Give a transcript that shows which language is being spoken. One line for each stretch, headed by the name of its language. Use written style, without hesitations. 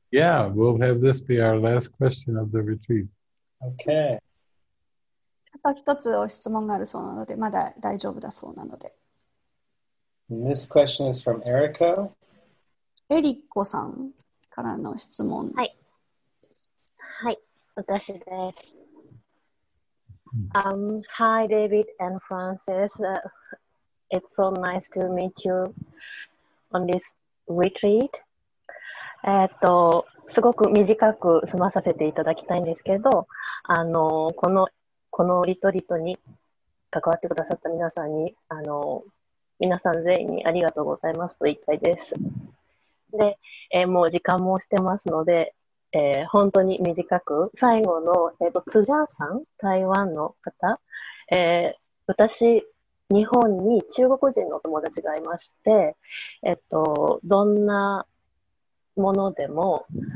English: Yeah, we'll have this be our last question of the retreat. Okay.
Japanese: ただ一つお質問があるそうなので、まだ大丈夫だそうなので。
English: And this question is from Erica.
Japanese: エリコさんからの質問。はい。はい、私です。
English: Hi, David and Francis. It's so nice to meet you on this retreat.
Japanese: すごく短く済まさせていただきたいんですけど、このリトリートに関わってくださった皆さんに、皆さん全員にありがとうございますと言いたいです。で、もう時間もしてますので、本当に短く、最後の、辻ジャーさん、台湾の方、私、日本に中国人の友達がいまして、どんな、ものでも